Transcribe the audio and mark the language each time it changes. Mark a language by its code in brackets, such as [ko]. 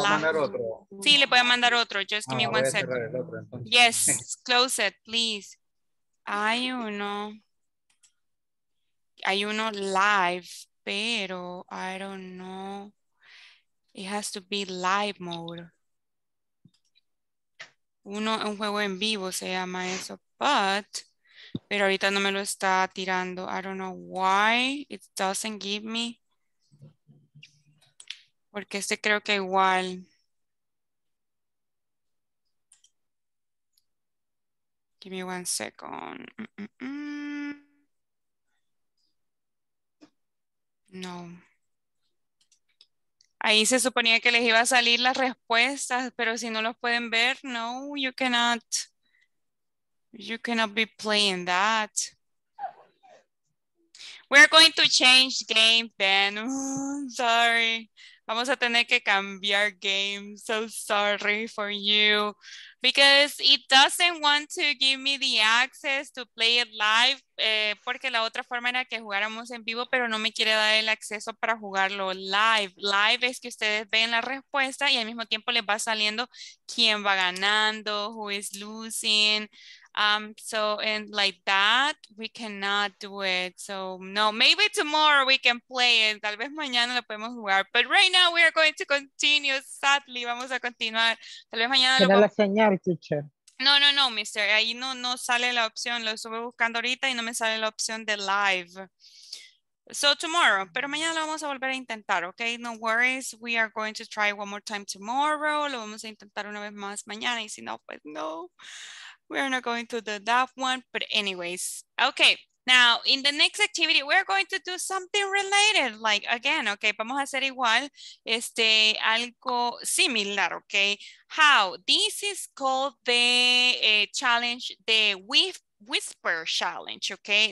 [es] locked. Sí, le voy a mandar otro. [en] Just give me one second. Yes, close it, please. [es] Hay uno live, pero [en] I don't know. It has to be live mode. [es] Uno, un juego en vivo se llama eso. Pero ahorita no me lo está tirando. [en] I don't know why it doesn't give me. [es] Porque este creo que igual. [en] Give me one second. [es] No. Ahí se suponía que les iba a salir las respuestas, pero si no los pueden ver, no, [en] you cannot be playing that. We're going to change game then. Sorry. [es] Vamos a tener que cambiar game. [en] So sorry for you. Because it doesn't want to give me the access to play it live. [es] Porque la otra forma era que jugáramos en vivo, pero no me quiere dar el acceso para jugarlo live. Live es que ustedes ven la respuesta y al mismo tiempo les va saliendo quién va ganando, [en] who is losing. So, and like that, we cannot do it. So, no, maybe tomorrow we can play it. [es] Tal vez mañana lo podemos jugar. [en] But right now we are going to continue. [es] Sadly, vamos a continuar. Tal vez mañana lo podemos jugar. Teacher. No, mister. Ahí no sale la opción. Lo estuve buscando ahorita y no me sale la opción de live. So, tomorrow. Pero mañana lo vamos a volver a intentar, okay? [en] No worries. We are going to try one more time tomorrow. [es] Lo vamos a intentar una vez más mañana. Y si no, pues no. [en] We're not going to do that one, but anyways. Okay, now in the next activity, we're going to do something related, like again, okay, [es] vamos a hacer igual, algo similar, [en] okay? How? This is called the challenge, the Whisper Challenge, okay?